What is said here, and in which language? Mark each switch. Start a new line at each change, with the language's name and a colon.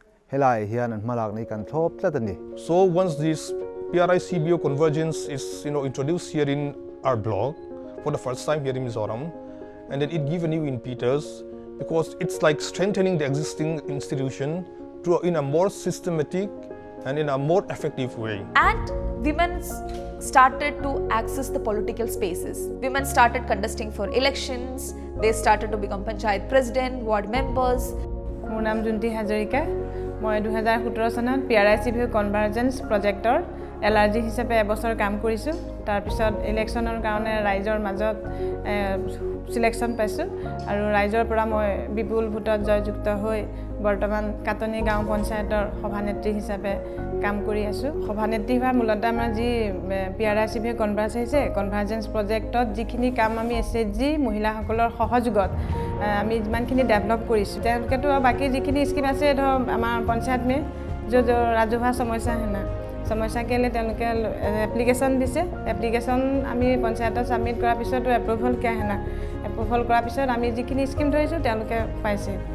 English: So once this PRI-CBO convergence is introduced here in our block for the first time here in Mizoram, and then it gives a new impetus because it's like strengthening the existing institution to in a more systematic and in a more effective way. And women started to access the political spaces. Women started contesting for elections. They started to become panchayat president, ward members. My name is Junti Hazarika.
Assamese: মই 2017 চনত P আর আই সি V convergence প্রজেক্টৰ এলআরজি হিচাপে এবছৰ কাম কৰিছোঁ। তাৰপিছত ইলেকশ্যনৰ কাৰণে ৰাইজৰ মাজত ছিলেকশ্যন পাইছোঁ আৰু ৰাইজৰ পৰা মই বিপুল ভোটত জয়যুক্ত হৈ বৰ্তমান কাটনি গাঁও পঞ্চায়তৰ সভানেত্ৰী হিচাপে কাম কৰি আছোঁ। সভানেত্ৰী হোৱা মূলতে আমাৰ যি পি আর আই সি ভি কনভার্জেন্স হৈছে, কনভার্জেন্স প্রজেক্টত যিখিনি কাম আমি এছ এইচ জি মহিলাসকলৰ সহযোগত আমি যিমানখিনি ডেভেলপ কৰিছোঁ, তেওঁলোকেতো বাকী যিখিনি স্কিম আছে ধৰক আমাৰ পঞ্চায়ত মে যদি ৰাজহুৱা সমস্যা হেনা সমস্যা কেলে তেওঁলোকে এপ্লিকেশ্যন দিছে, এপ্লিকেশ্যন আমি পঞ্চায়তত ছাবমিট কৰাৰ পিছতো এপ্ৰুভেল কিয় হেনা, এপ্ৰুভেল কৰাৰ পিছত আমি যিখিনি স্কিম ধৰিছোঁ তেওঁলোকে পাইছে।